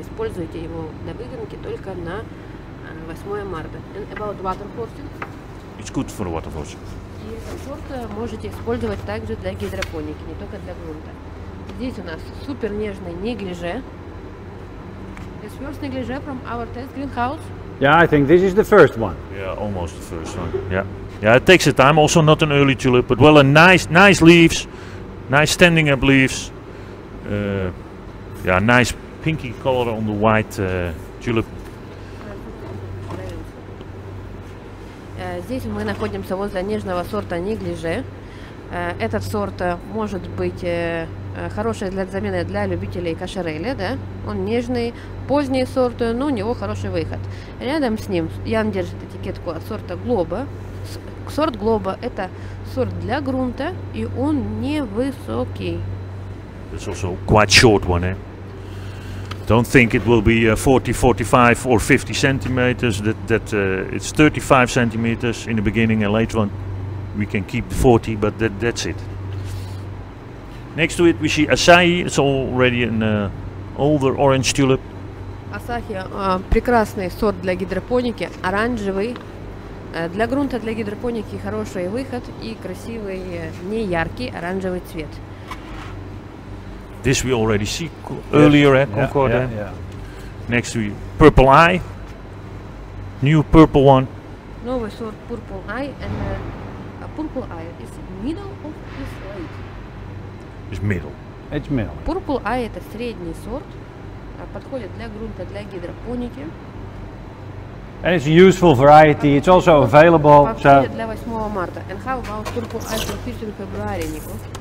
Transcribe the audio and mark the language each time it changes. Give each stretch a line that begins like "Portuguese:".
Russian: Используйте его для выгонки только на 8 марта.
English: And about Waterforcing? It's good for Waterforcing.
Russian: Сорт можете использовать также для гидропоники, не только для грунта. Здесь у нас супер нежный неглиже.
English: This first неглиже from our test greenhouse. Yeah, I think this is the first one. Yeah, almost the first one. Yeah. Yeah, it takes a time, also not an early tulip, but well a nice leaves, nice standing up leaves. Yeah, nice pinky color on the white tulip.
Russian: Здесь мы находимся возле нежного сорта неглиже. Этот сорт может быть хороший для замены для любителей кашереля, да? Он нежный, поздний сорт, но у него хороший выход. Рядом с ним Ян держит этикетку от сорта Глоба. Сорт Глоба – это сорт для грунта, и он невысокий.
English: It's also quite short one, eh? Don't think it will be 40, 45 or 50 centimeters, it's 35 centimeters in the beginning and later on we can keep the 40, but that's it. Next to it we see Asahi, it's already an older orange tulip.
Russian: Asahi, прекрасный сорт для гидропоники, оранжевый, для грунта для гидропоники хороший выход и красивый, неяркий оранжевый цвет.
English: This we already see earlier, yeah, at Concordia. Yeah, yeah. Next we Purple Eye, new purple one.
Russian: Новый сорт
English: Purple Eye, and Purple Eye is middle of this light. It's middle.
Russian: Purple Eye – это средний сорт, подходит для грунта, для гидропоники.
English: And it's a useful variety, it's also available.
Russian: Для 8 марта.
English: And how about Purple Eye for 15 February, Nico?